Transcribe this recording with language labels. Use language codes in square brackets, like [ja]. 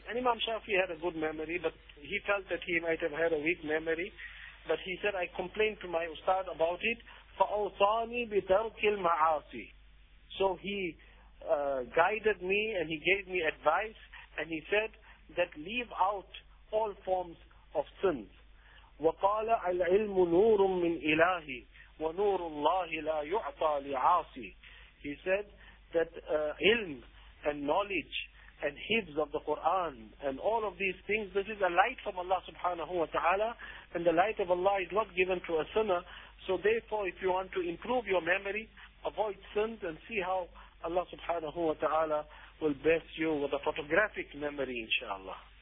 [en] And Imam Shafi'i had a good memory, but he felt that he might have had a weak memory. But he said, I complained to my ustad about it. Fa'awtani bitarki al-ma'asi. So he guided me and he gave me advice and he said that leave out all forms of sins. [ar] وقال العلم نور من إلهي ونور الله لا يعطى لعاصي. [en] He said that ilm and knowledge and hifz of the Quran and all of these things, this is a light from Allah subhanahu wa ta'ala, and the light of Allah is not given to a sinner. So therefore, if you want to improve your memory, avoid sins and see how Allah subhanahu wa ta'ala will bless you with a photographic memory, inshallah.